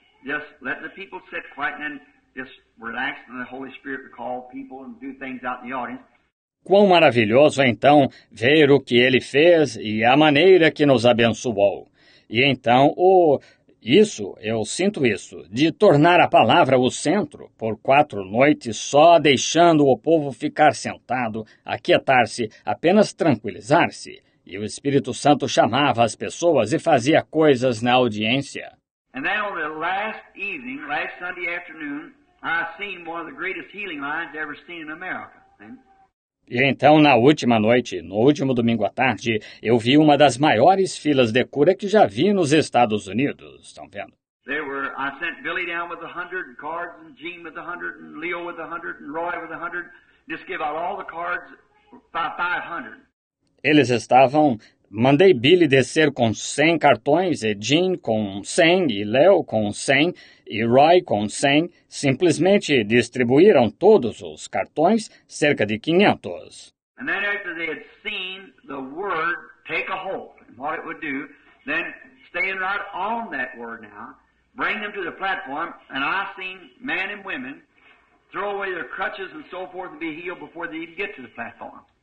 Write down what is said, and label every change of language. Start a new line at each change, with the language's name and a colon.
English: Just let the people sit quiet and then just relax and the Holy Spirit to call people and do things out in the audience.
Portuguese: Quão maravilhoso, então, ver o que ele fez e a maneira que nos abençoou. E então, eu sinto isso, de tornar a palavra o centro por 4 noites só deixando o povo ficar sentado, aquietar-se, apenas tranquilizar-se. E o Espírito Santo chamava as pessoas e fazia coisas na audiência.
English: And then on the last evening, last Sunday afternoon, I seen one of the greatest healing lines ever seen in America.
Portuguese: E então, na última noite, no último domingo à tarde, eu vi uma das maiores filas de cura que já vi nos Estados Unidos. Estão vendo?
English: I sent Billy down with 100, and cards, and Gene with 100, and Leo with 100, and Roy with 100. Just give out all the cards by 500.
Portuguese: Eles estavam... Mandei Billy descer com 100 cartões, e Gene com 100, e Leo com 100, e Roy com 100. Simplesmente distribuíram todos os cartões, cerca de 500.
English: And then after they had seen the word take a hold, and what it would do, then staying right on that word now, bring them to the platform, and I seen men and women throw away their crutches and so forth and be healed before they even get to the platform.